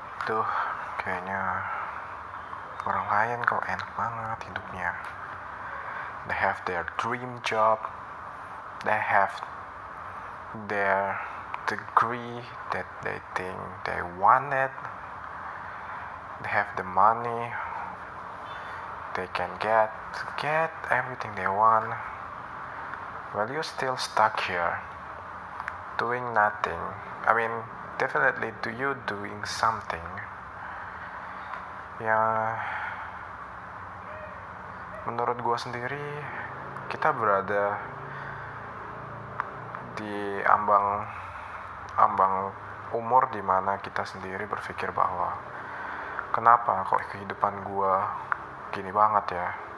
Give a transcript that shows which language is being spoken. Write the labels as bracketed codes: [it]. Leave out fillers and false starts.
[id] Tuh, kayaknya orang lain kok enak banget hidupnya. [en] They have their dream job. They have their degree that they think they wanted. They have the money. They can get everything they want. Well, you're still stuck here doing nothing. I mean, definitely do you doing something? [id] Ya, menurut gua sendiri, kita berada di ambang umur di mana kita sendiri berpikir bahwa kenapa kok kehidupan gua gini banget ya?